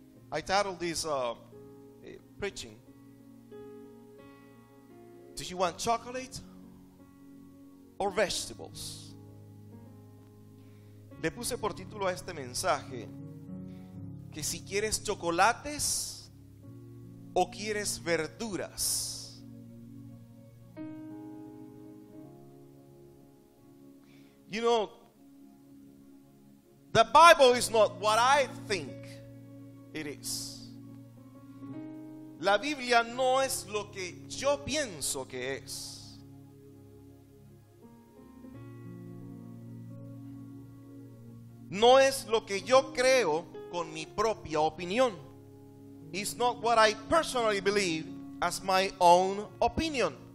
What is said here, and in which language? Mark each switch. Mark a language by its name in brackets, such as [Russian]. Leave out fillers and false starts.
[English] I titled this preaching, do you want chocolate or vegetables? [Spanish] Le puse por título a este mensaje que si quieres chocolates o quieres verduras. [English] You know, the Bible is not what I think it is. [Spanish] La Biblia no es lo que yo pienso que es. No es lo que yo creo con mi propia opinión. [English] It's not what I personally believe as my own opinion.